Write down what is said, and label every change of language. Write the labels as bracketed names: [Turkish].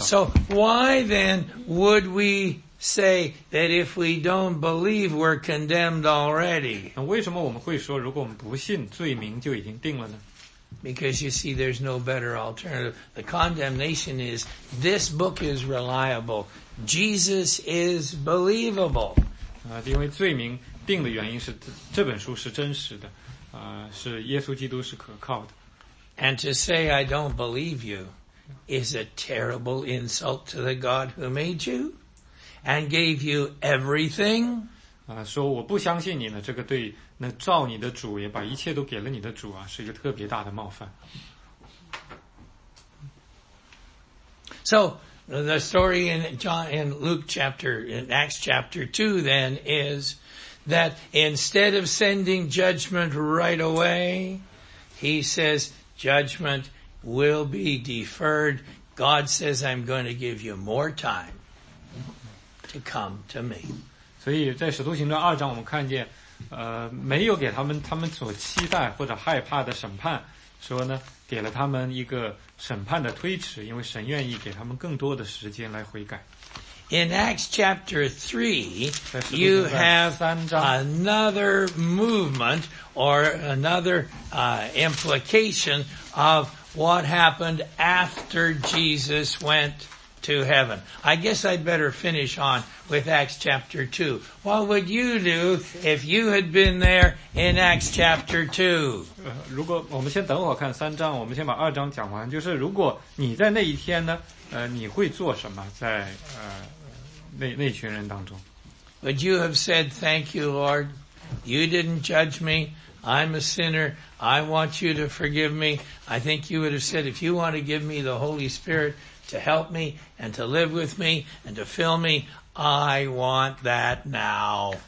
[English] So why then would we say that if we don't believe, we're condemned already? [Chinese] 那为什么我们会说如果我们不信罪名就已经定了呢？ [English] Because you see, there's no better alternative. The condemnation is, this book is reliable. Jesus is believable. [Chinese] 因为罪名定的原因是这本书是真实的，是耶稣基督是可靠的。 [English] And to say I don't believe you is a terrible insult to the God who made you and gave you everything. [Chinese] 说我不相信你呢，这个对那造你的主也把一切都给了你的主啊，是一个特别大的冒犯。 [English] So the story in Acts chapter 2 then is that instead of sending judgment right away, he says, judgment will be deferred. God says, I'm going to give you more time to come to me. [Chinese] 所以在使徒行传二章我们看见没有给他们所期待或者害怕的审判，说呢给了他们一个审判的推迟，因为神愿意给他们更多的时间来悔改。 [English] In Acts chapter 3, you have another movement or another implication of what happened after Jesus went to heaven. I guess I'd better finish on with Acts chapter 2. What would you do if you had been there in Acts chapter 2? [Chinese] 如果我们先等会儿看三章，我们先把二章讲完，就是如果你在那一天呢，你会做什么在那群人当中。 [English] Would you have said, thank you, Lord, you didn't judge me, I'm a sinner, I want you to forgive me? I think you would have said, if you want to give me the Holy Spirit to help me and to live with me and to fill me, I want that now.